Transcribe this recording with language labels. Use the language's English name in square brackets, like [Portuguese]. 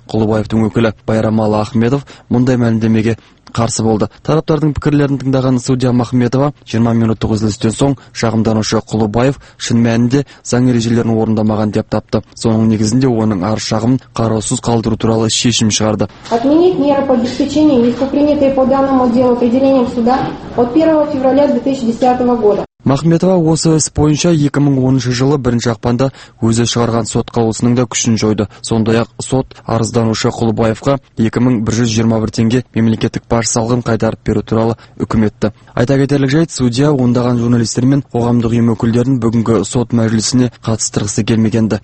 [Kazakh] Құлыбаевтың өкілі Байрамалы Ахметов мұндай мәлімдемеге қарсы болды. Тараптардың пікірлерін тыңдаған судья Махметова 20 минуттық үзілістен соң шағымданушы Құлыбаев шын мәнінде заң ережелерін орындамаған деп тапты. Соның негізінде оның арыз шағымын қараусыз қалдыру туралы шешім шығарды. [Russian] Отменить меры по обеспечению, неприпринятые по данному делу определением суда от 1 февраля 2010 года. [Kazakh] Махметова осы іс бойынша 2010 жылы 1 ақпанда өзі шығарған сот қаулысының да күшін жойды. Сондай-ақ сот арызданушы Құлыбаевқа 2121 теңге мемлекеттік баж салығын қайтарып беру туралы үкім етті. Айта кетерлік жайт, судья ондаған журналистер мен қоғамдық ұйым өкілдерін бүгінгі сот мәжілісіне қатыстырғысы келмегенді.